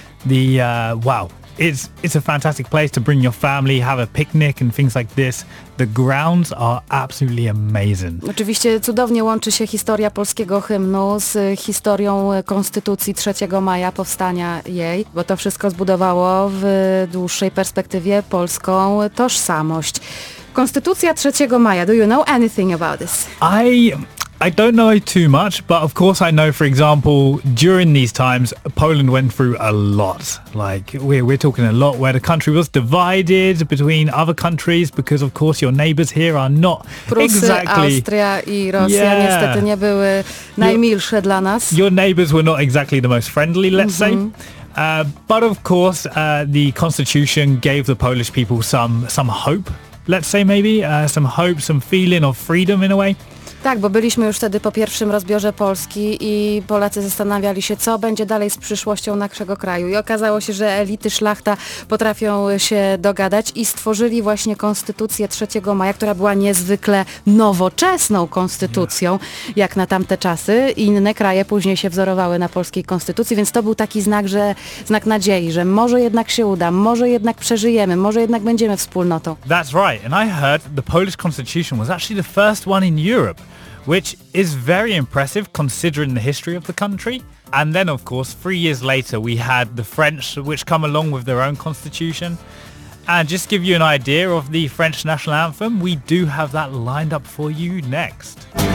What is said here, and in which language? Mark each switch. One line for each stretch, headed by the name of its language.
English: The wow. It's a fantastic place to bring your family, have a picnic and things like this. The grounds are absolutely amazing.
Polish: Oczywiście cudownie łączy się historia polskiego hymnu z historią Konstytucji 3 maja, powstania jej, bo to wszystko zbudowało w dłuższej perspektywie polską tożsamość.
English: Konstytucja 3 maja, do you know anything about this? I don't know too much, but of course I know, for example, during these times, Poland went through a lot. Like, we're talking a lot where the country was divided between other countries, because of course your neighbors here are not exactly...
Polish: Prusy, Austria i Rosja niestety nie były najmilsze dla nas.
English: Your neighbors were not exactly the most friendly, let's say. But of course, the constitution gave the Polish people some hope, let's say maybe, some hope, some feeling of freedom in a way.
Polish: Tak, bo byliśmy już wtedy po pierwszym rozbiorze Polski i Polacy zastanawiali się, co będzie dalej z przyszłością naszego kraju. I okazało się, że elity, szlachta potrafią się dogadać i stworzyli właśnie Konstytucję 3 maja, która była niezwykle nowoczesną konstytucją, jak na tamte czasy. Inne kraje później się wzorowały na polskiej konstytucji, więc to był taki znak nadziei, że może jednak się uda, może jednak przeżyjemy, może jednak będziemy wspólnotą.
English: That's right. And I heard the Polish Constitution was actually the first one in Europe. Which is very impressive considering the history of the country. And then of course, 3 years later, we had the French, which come along with their own constitution. And just to give you an idea of the French national anthem, we do have that lined up for you next.